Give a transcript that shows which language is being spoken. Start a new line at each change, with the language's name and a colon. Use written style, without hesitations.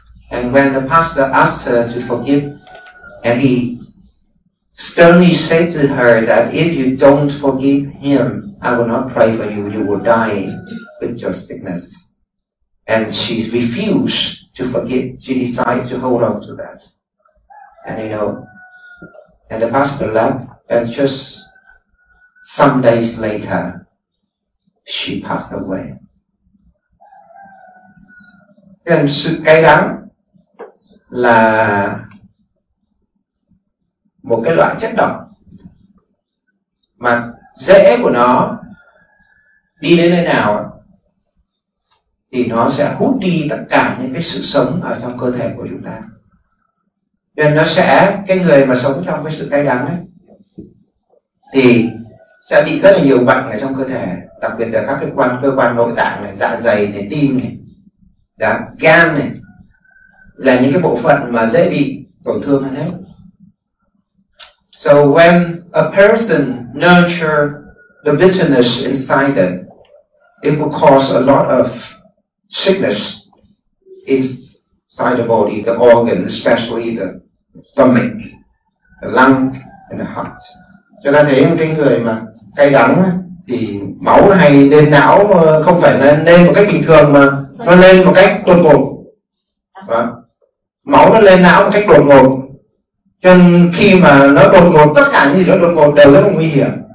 English: And when the pastor asked her to forgive, and he sternly said to her that if you don't forgive him, I will not pray for you, you will die with your sickness. And she refused to forgive. She decided to hold on to that. And you know, and the pastor left, and just some days later, she passed away.
Vietnamese: Nên sự cay đắng là một cái loại chất độc mà rễ của nó đi đến nơi nào thì nó sẽ hút đi tất cả những cái sự sống ở trong cơ thể của chúng ta. Nên nó sẽ, cái người mà sống trong cái sự cay đắng ấy thì sẽ bị rất là nhiều bệnh ở trong cơ thể, đặc biệt là các cơ quan nội tạng này, dạ dày này, tim này, đã gan này, là những cái bộ phận mà dễ bị tổn thương hơn hết.
English: So when a person nurture the bitterness inside them, it will cause a lot of sickness inside the body, the organ, especially the stomach, the lung and the heart.
Vietnamese: Cho ta thấy cái người mà cay đắng thì máu hay lên não, không phải là lên một cách bình thường mà nó lên một cách tuột cùng. Máu nó lên não một cách đột ngột. Cho nên khi mà nó đột ngột, tất cả những gì nó đột ngột đều rất là nguy hiểm.